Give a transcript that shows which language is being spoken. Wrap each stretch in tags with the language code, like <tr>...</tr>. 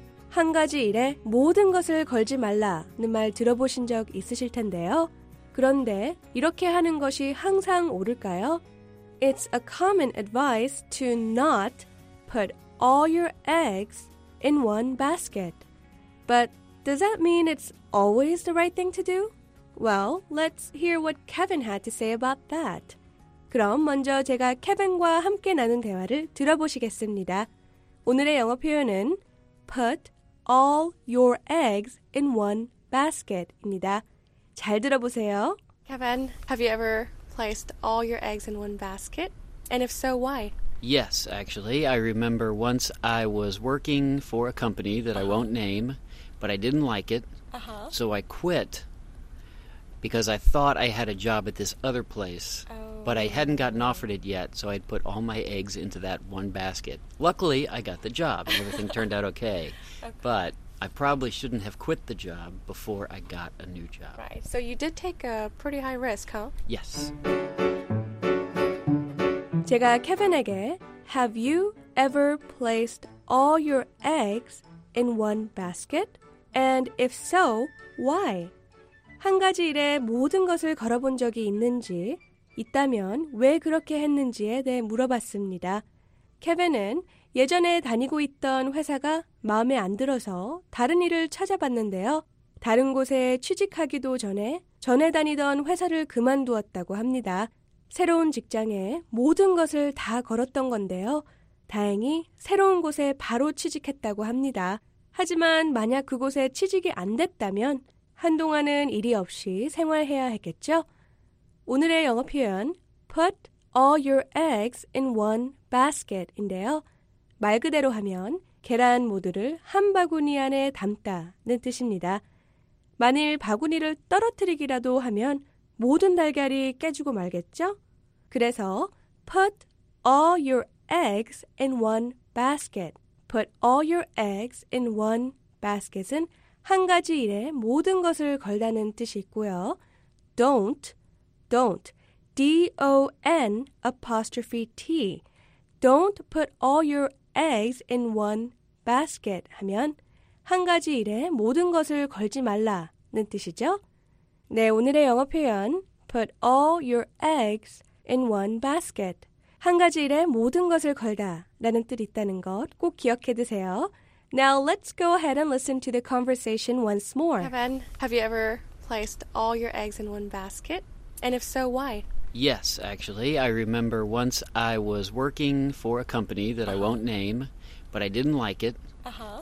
<ko>한 가지 일에 모든 것을 걸지 말라는 말 들어보신 적 있으실 텐데요. 그런데 이렇게 하는 것이 항상 옳을까요?</ko> <en>It's a common advice to not put all your eggs in one basket. But does that mean it's always the right thing to do? Well, let's hear what Kevin had to say about that.</en> <ko>그럼 먼저 제가 케빈과 함께 나눈 대화를 들어보시겠습니다. 오늘의 영어 표현은</ko> <en>put all your eggs in one basket</en> <ko>입니다. 잘 들어보세요.</ko> <en>Kevin, have you ever placed all your eggs in one basket? And if so, why? Yes, actually. I remember once I was working for a company that I won't name, but I didn't like it. Uh-huh. So I quit because I thought I had a job at this other place. Oh. But I hadn't gotten offered it yet, so I'd put all my eggs into that one basket. Luckily, I got the job, and everything turned out okay. But I probably shouldn't have quit the job before I got a new job. Right. So you did take a pretty high risk, huh? Yes.</en> <ko>제가 케빈에게</ko> <en>Have you ever placed all your eggs in one basket? And if so, why?</en> <ko>한 가지 일에 모든 것을 걸어본 적이 있는지 있다면 왜 그렇게 했는지에 대해 물어봤습니다. 케빈은 예전에 다니고 있던 회사가 마음에 안 들어서 다른 일을 찾아봤는데요. 다른 곳에 취직하기도 전에 다니던 회사를 그만두었다고 합니다. 새로운 직장에 모든 것을 다 걸었던 건데요. 다행히 새로운 곳에 바로 취직했다고 합니다. 하지만 만약 그곳에 취직이 안 됐다면 한동안은 일이 없이 생활해야 했겠죠? 오늘의 영어 표현,</ko> <en>put all your eggs in one basket</en> <ko>인데요. 말 그대로 하면 계란 모두를 한 바구니 안에 담다는 뜻입니다. 만일 바구니를 떨어뜨리기라도 하면 모든 달걀이 깨지고 말겠죠? 그래서</ko> <en>put all your eggs in one basket. Put all your eggs in one basket</en> <ko>은 한 가지 일에 모든 것을 걸다는 뜻이 있고요.</ko> <en>Don't, D-O-N apostrophe T. Don't put all your eggs in one basket</en> <ko>하면 한 가지 일에 모든 것을 걸지 말라는 뜻이죠. 네, 오늘의 영어 표현</ko> <en>Put all your eggs in one basket.</en> <ko>한 가지 일에 모든 것을 걸다 라는 뜻이 있다는 것 꼭 기억해 두세요.</ko> <en>Now let's go ahead and listen to the conversation once more. Kevin, have you ever placed all your eggs in one basket? And if so, why? Yes, actually. I remember once I was working for a company that I won't name, but I didn't like it. Uh-huh.</en>